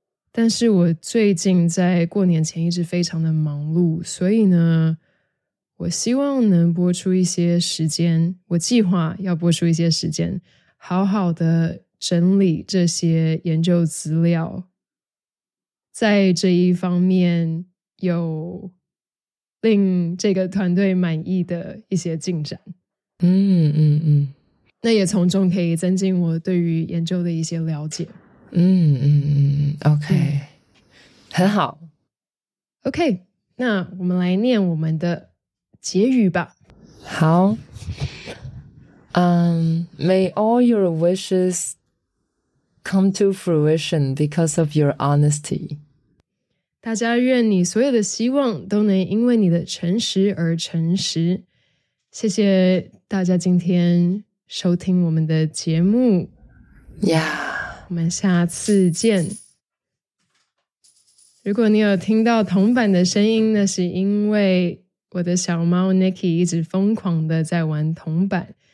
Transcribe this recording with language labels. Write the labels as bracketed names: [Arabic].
[Chinese] 但是我最近在过年前一直非常的忙碌，所以呢我希望能播出一些时间，我计划要播出一些时间好好的整理这些研究资料，在这一方面有令这个团队满意的一些进展。嗯嗯嗯，那也从中可以增进我对于研究的一些了解。嗯嗯 okay, 嗯 ，OK， 很好。 OK， 那我们来念我们的结语吧。好。 [English] May all your wishes come to fruition because of your honesty. [Chinese] 大家愿你所有的希望都能因为你的诚实而成实。谢谢大家今天收听我们的节目。 [English] Yeah. [Chinese] 我们下次见。如果你有听到铜板的声音，那是因为我的小猫 Nikki 一直疯狂的在玩铜板。